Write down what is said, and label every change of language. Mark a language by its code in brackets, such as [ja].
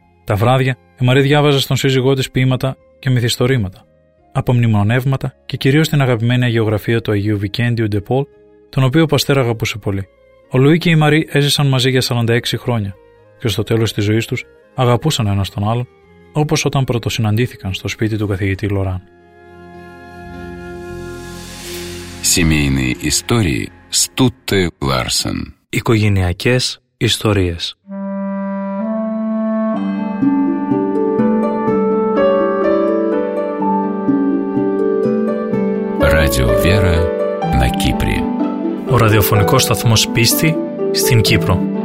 [el] Τα βράδια, η Μαρί διάβαζε στον σύζυγό της ποίηματα και μυθιστορήματα, απομνημονεύματα και κυρίως την αγαπημένη αγιογραφία του Αγίου Βικέντιου Ντε Πολ, τον οποίο ο Παστέρ αγαπούσε πολύ. Ο Λουί και η Μαρί έζησαν μαζί για 46 χρόνια και στο τέλος της ζωής τους αγαπούσαν ένας τον άλλον, όπως όταν πρωτοσυναντήθηκαν στο σπίτι του καθηγητή Λοράν. [ru] Семейные истории Стутте Ларсен. [el] Οικογενειακές ιστορίες. [ru] Радио Вера на Кипре. [el] Ο ραδιοφωνικός σταθμός πίστη στην Κύπρο.